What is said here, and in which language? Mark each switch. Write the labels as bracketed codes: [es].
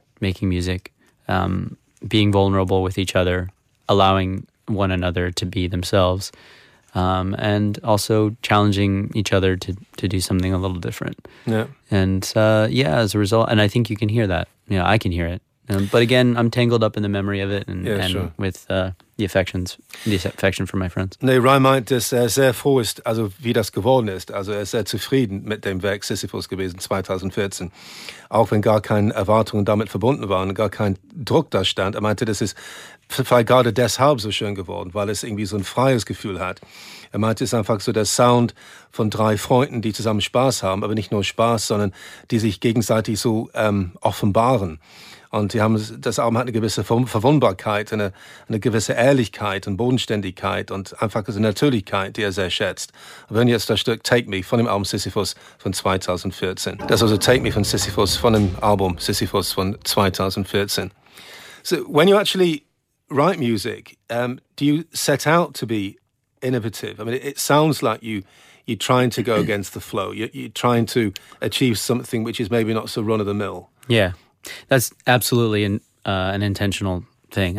[en] making music, being vulnerable with each other, allowing one another to be themselves, and also challenging each other to do something a little different. Yeah. And yeah, as a result, and I think you can hear that. You know, I can hear it. But again, I'm tangled up in the memory of it and with the affection for my friends. [de] Nee, Ryan meint, dass er sehr froh ist, also wie das geworden ist. Also er ist sehr zufrieden mit dem Werk Sisyphus gewesen 2014. Auch wenn gar keine Erwartungen damit verbunden waren, gar kein Druck da stand. Er meinte, das ist vielleicht gerade deshalb so schön geworden, weil es irgendwie so ein freies Gefühl hat. Er meinte, es ist einfach so der Sound von drei Freunden, die zusammen Spaß haben, aber nicht nur Spaß, sondern die sich gegenseitig so offenbaren. Und die haben, das Album hat eine gewisse Verwundbarkeit, eine gewisse Ehrlichkeit und Bodenständigkeit und einfach diese Natürlichkeit, die er sehr schätzt. Wir hören jetzt das Stück Take Me von dem Album Sisyphus von 2014. Das ist also Take Me von Sisyphus von dem Album Sisyphus von 2014. [en] So, when you actually write music, do you set out to be innovative? I mean, it sounds like you're trying to go against the flow. You're trying to achieve something which is maybe not so run-of-the-mill. Yeah. That's absolutely an intentional thing.